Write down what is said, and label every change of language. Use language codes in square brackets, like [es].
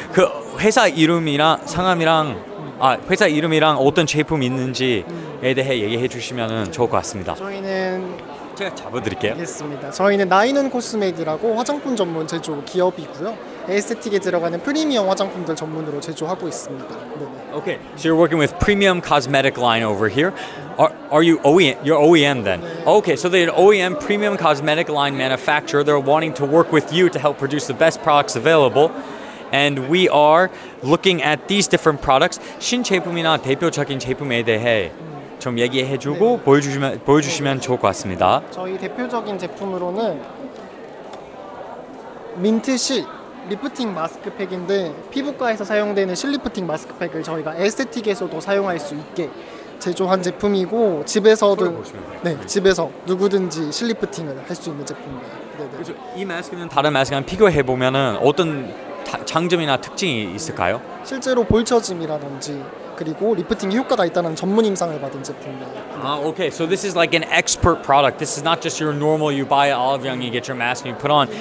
[ko] 그 회사 이름이랑 상함이랑 회사 이름이랑 어떤 제품 있는지에 대해 얘기해 주시면 좋을 것 같습니다. 저희는 제가 잡아드릴게요. 알겠습니다. 저희는 나이눈 코스메디라고 화장품 전문 제조 기업이고요. 에스테틱에 들어가는 프리미엄 화장품들 전문으로 제조하고 있습니다. 네. [en] Okay, so you're working with premium cosmetic line over here. Are you OEM? You're OEM then? [ko] 네. [en] Okay, so they're an OEM premium cosmetic line manufacturer. They're wanting to work with you to help produce the best products available. And we are looking at these different products. [ko] 신제품이나 대표적인 제품에 대해 좀 얘기해주고 네. 보여주시면 좋을 것 같습니다. 저희 대표적인 제품으로는 민트실 리프팅 마스크팩인데 피부과에서 사용되는 실리프팅 마스크팩을 저희가 에스테틱에서도 사용할 수 있게 제조한 제품이고 집에서도 네 집에서 누구든지 실리프팅을 할 수 있는 제품입니다. 그렇죠. 이 마스크는 다른 마스크랑 비교해보면은 어떤 장점이나 특징이 있을까요? 실제로 볼처짐이라든지 그리고 리프팅 효과가 있다는 전문 임상을 받은 제품입니다. 아, [en] okay. So this is like an expert product. This is not just your normal you buy at Olive Young, you get your mask and you put on.